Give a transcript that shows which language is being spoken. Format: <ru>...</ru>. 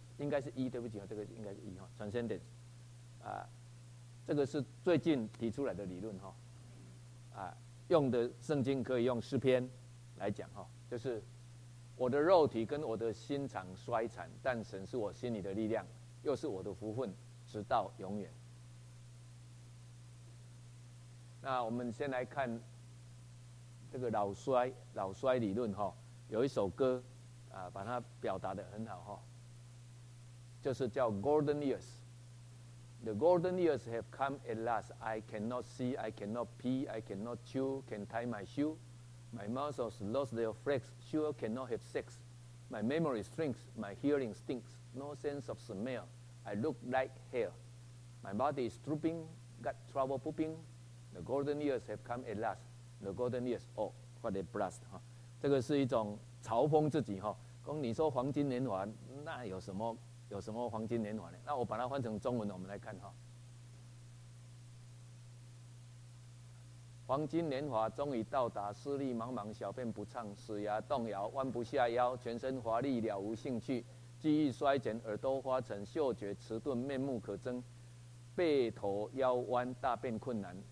<zh>应该是一，对不起啊，这个应该是一哈 ，transcendence， 啊，这个是最近提出来的理论哈，啊，用的圣经可以用诗篇来讲哈，就是我的肉体跟我的心肠衰残，但神是我心里的力量，又是我的福分，直到永远。那我们先来看这个老衰理论哈，有一首歌啊，把它表达得很好哈。就是叫</zh> <en>Golden Years， The golden years have come at last. I cannot see, I cannot pee, I cannot chew, can tie my shoe. My muscles lost their flex, sure cannot have sex. My memory shrinks, my hearing stinks, no sense of smell. I look like hell. My body is drooping, got trouble pooping. The golden years have come at last. The golden years, oh, what a blast!</en> <zh>哈，这个是一种嘲讽自己哈，讲你说黄金年华，那有什么？有什么黄金年华呢？那我把它换成中文，我们来看哈。黄金年华终于到达，视力茫茫，小便不畅，齿牙动摇，弯不下腰，全身乏力，了无兴趣，记忆衰减，耳朵花沉，嗅觉迟钝，面目可憎，背头腰弯，大便困难。</zh>